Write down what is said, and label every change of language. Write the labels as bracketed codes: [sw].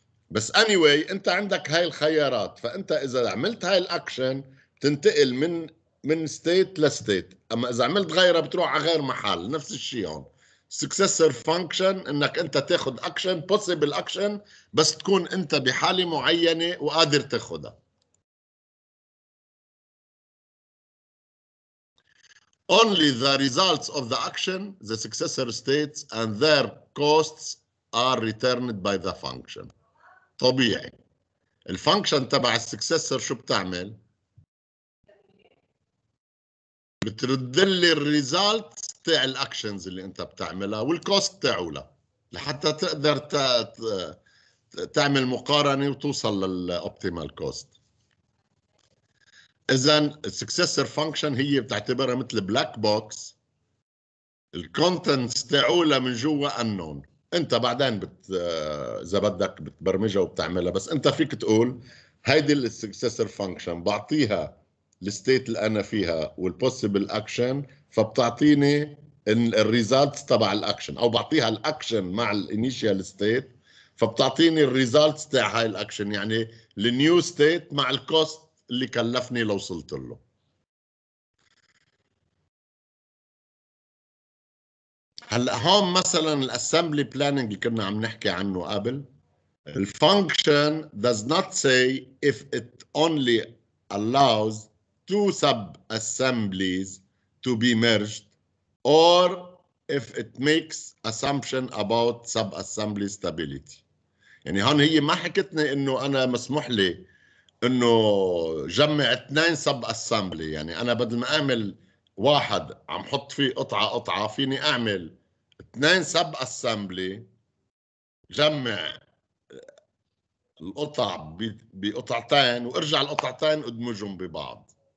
[ar] بس anyway انت عندك هاي الخيارات، فانت اذا عملت هاي الاكشن بتنتقل من ستيت لستيت، اما اذا عملت غيرها بتروح على غير محل. نفس الشيء هون successor function انك انت تاخد اكشن possible اكشن، بس تكون انت بحالة معينة وقادر تاخدها. [en] only the results of the action, the successor states, and their costs are returned by the function. [ar] طبيعي. الفانكشن تبع السكسسر شو بتعمل؟ بترد لي الريزلت تاع الاكشنز اللي انت بتعملها والكوست تاعولها لحتى تقدر تعمل مقارنه وتوصل للاوبتيمال كوست. اذا السكسسر فانكشن هي بتعتبرها مثل بلاك بوكس، الكونتنتس تاعولها من جوا انون، انت بعدين اذا بدك بتبرمجها وبتعملها، بس انت فيك تقول هيدي السكسسر فانكشن بعطيها الستيت اللي انا فيها والبوسيبل اكشن، فبتعطيني الريزلتس تبع الاكشن، او بعطيها الاكشن مع الانيشال ستيت فبتعطيني الريزلتس تاع هاي الاكشن، يعني النيو ستيت مع الكوست اللي كلفني لو وصلت له. هلا هون مثلا الاسامبلي بلاننج اللي كنا عم نحكي عنه قبل، الفانكشن [en] does not say if it only allows two sub-assemblies to be merged or if it makes assumption about sub-assembly stability. [ar] يعني هون هي ما حكتني انه انا مسموح لي انه جمع اثنين sub-assembly، يعني انا بدل ما اعمل واحد عم حط فيه قطعه قطعه فيني اعمل اثنين sub-assembly، جمع القطع بقطعتين وارجع القطعتين ادمجهم ببعض.